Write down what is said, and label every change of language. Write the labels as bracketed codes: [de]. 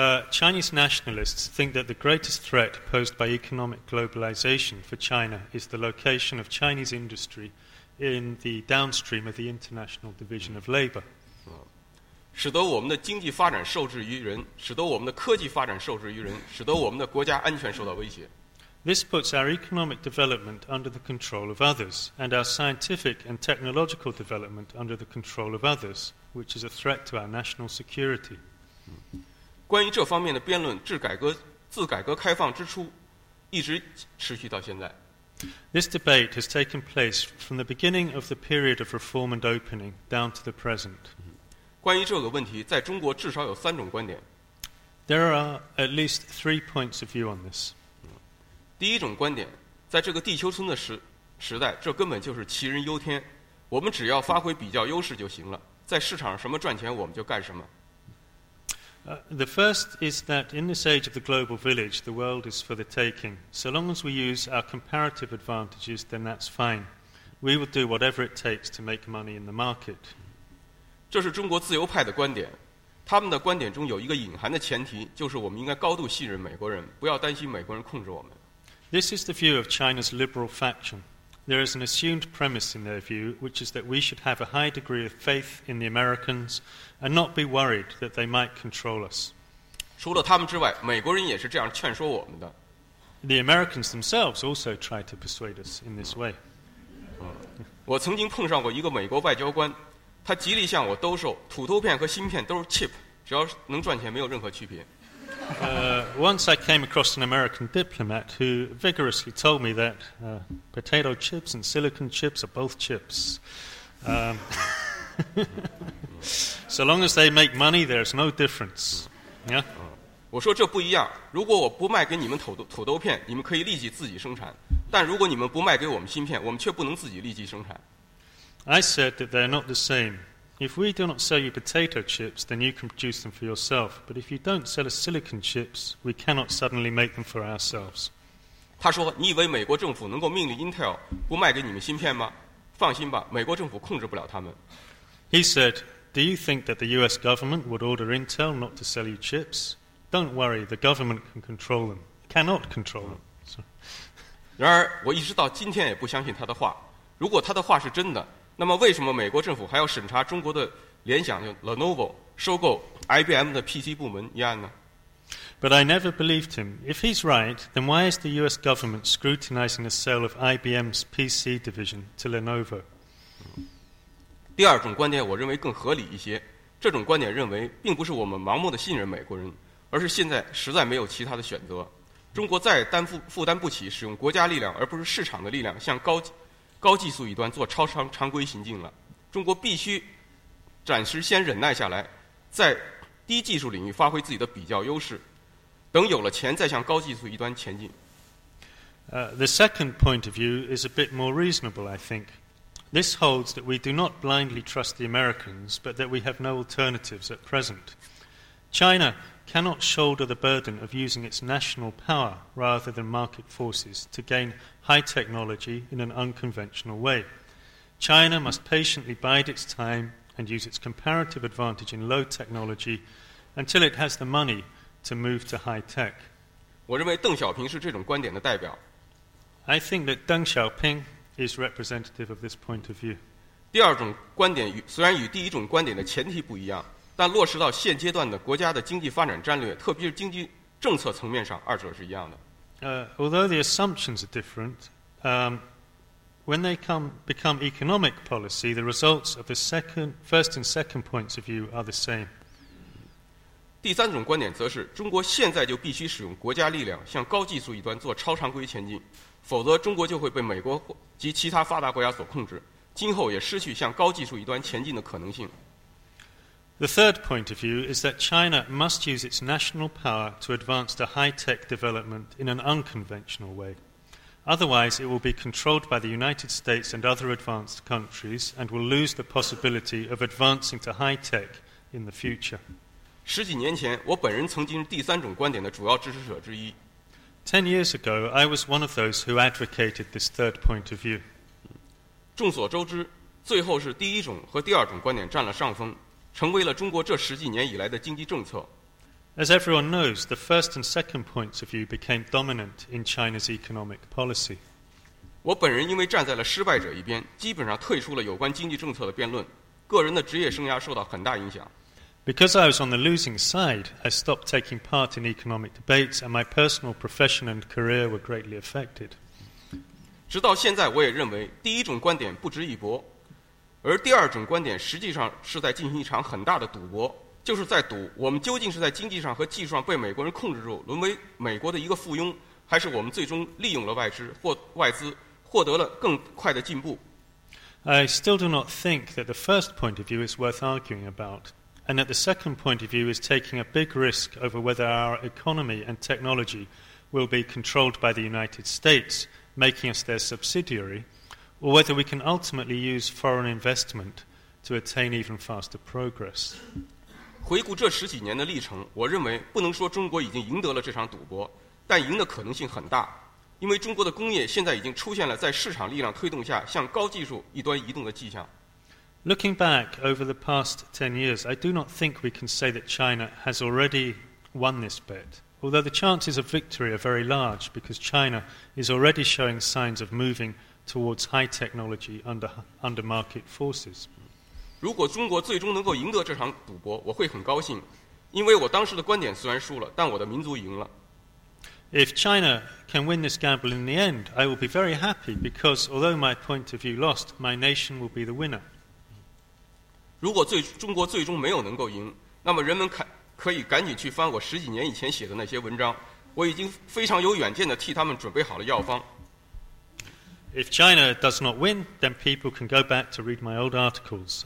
[en] Chinese nationalists think that the greatest threat posed by economic globalization for China is the location of Chinese industry in the downstream of the international division of labor. [zh] 使得我们的经济发展受制于人，使得我们的科技发展受制于人，使得我们的国家安全受到威胁。 [en] This puts our economic development under the control of others, and our scientific and technological development under the control of others, which is a threat to our national security. [zh] 关于这方面的辩论，自改革开放之初，一直持续到现在。 [en] This debate has taken place from the beginning of the period of reform and opening down to the present. [zh] 关于这个问题，在中国至少有三种观点。 [en] There are at least three points of view on this. [zh] 第一种观点，在这个地球村的时代，这根本就是杞人忧天。我们只要发挥比较优势就行了，在市场上什么赚钱，我们就干什么。 [en] The first is that in this age of the global village, the world is for the taking. So long as we use our comparative advantages, then that's fine. We will do whatever it takes to make money in the market. [zh] 这是中国自由派的观点。他们的观点中有一个隐含的前提，就是我们应该高度信任美国人，不要担心美国人控制我们。 [en] This is the view of China's liberal faction. There is an assumed premise in their view, which is that we should have a high degree of faith in the Americans and not be worried that they might control us. [zh] 除了他们之外，美国人也是这样劝说我们的。 [en] The Americans themselves also try to persuade us in this way. [zh] 我曾经碰上过一个美国外交官，他极力向我兜售土豆片和芯片都是 [en] cheap， [zh] 只要能赚钱没有任何区别。 [en] Once I came across an American diplomat who vigorously told me that potato chips and silicon chips are both chips. so long as they make money, there's no difference. Yeah. [zh] 我说这不一样。如果我不卖给你们土豆片，你们可以立即自己生产；但如果你们不卖给我们芯片，我们却不能自己立即生产。 [en] I said that they're not the same. If we do not sell you potato chips, then you can produce them for yourself. But if you don't sell us silicon chips, we cannot suddenly make them for ourselves. [zh] 他说：“你以为美国政府能够命令 Intel 不卖给你们芯片吗？放心吧，美国政府控制不了他们。” [en] He said, "Do you think that the U.S. government would order Intel not to sell you chips? Don't worry, the government can control them. Cannot control them." [zh] 然而，我一直到今天也不相信他的话。如果他的话是真的。那么为什么美国政府还要审查中国的联想就 Lenovo 收购 IBM 的 PC 部门一案呢？ [en] But I never believed him. If he's right, then why is the US government scrutinizing the sale of IBM's PC division to Lenovo? [zh] 第二种观点我认为更合理一些。这种观点认为并不是我们盲目的信任美国人，而是现在实在没有其他的选择。中国再负担不起使用国家力量而不是市场的力量向高技术一端做超常常规行径了，中国必须暂时先忍耐下来，在低技术领域发挥自己的比较优势，等有了钱再向高技术一端前进。 [en] The second point of view is a bit more reasonable, I think. This holds that we do not blindly trust the Americans, but that we have no alternatives at present. China cannot shoulder the burden of using its national power rather than market forces to gain. High technology in an unconventional way. China must patiently bide its time and use its comparative advantage in low technology until it has the money to move to high tech. [zh] 我认为邓小平是这种观点的代表。 [en] I think that Deng Xiaoping is representative of this point of view. [zh] 第二种观点虽然与第一种观点的前提不一样，但落实到现阶段的国家的经济发展战略，特别是经济政策层面上，二者是一样的。 [en] Although the assumptions are different, when they become economic policy, the results of the first and second points of view are the same. [zh] 第三种观点则是，中国现在就必须使用国家力量向高技术一端做超常规前进，否则中国就会被美国及其他发达国家所控制，今后也失去向高技术一端前进的可能性。 [en] The third point of view is that China must use its national power to advance the high-tech development in an unconventional way. Otherwise, it will be controlled by the United States and other advanced countries and will lose the possibility of advancing to high-tech in the future. [zh] 十几年前，我本人曾经是第三种观点的主要支持者之一。 [en] 10 years ago, I was one of those who advocated this third point of view. [zh] 众所周知，最后是第一种和第二种观点占了上风。成为了中国这十几年以来的经济政策。 [en] As everyone knows, the first and second points of view became dominant in China's economic policy. [zh] 我本人因为站在了失败者一边，基本上退出了有关经济政策的辩论，个人的职业生涯受到很大影响。 [en] Because I was on the losing side, I stopped taking part in economic debates, and my personal profession and career were greatly affected. [zh] 直到现在，我也认为第一种观点不值一驳。而第二种观点实际上是在进行一场很大的赌博，就是在赌我们究竟是在经济上和技术上被美国人控制住，沦为美国的一个附庸，还是我们最终利用了外资或外资获得了更快的进步。 [en] I still do not think that the first point of view is worth arguing about, and that the second point of view is taking a big risk over whether our economy and technology will be controlled by the United States, making us their subsidiary. Or whether we can ultimately use foreign investment to attain even faster progress. [zh] 回顾这十几年的历程，我认为不能说中国已经赢得了这场赌博，但赢的可能性很大，因为中国的工业现在已经出现了在市场力量推动下向高技术一端移动的迹象。 [en] Looking back over the past 10 years, I do not think we can say that China has already won this bet. Although the chances of victory are very large because China is already showing signs of moving towards high technology under market forces. [zh] 如果中国最终能够赢得这场赌博，我会很高兴，因为我当时的观点虽然输了，但我的民族赢了。 [en] If China can win this gamble in the end, I will be very happy because although my point of view lost, my nation will be the winner. [zh] 如果中国最终没有能够赢，那么人们可以赶紧去翻我十几年以前写的那些文章，我已经非常有远见地替他们准备好了药方。 [en] If China does not win, then people can go back to read my old articles.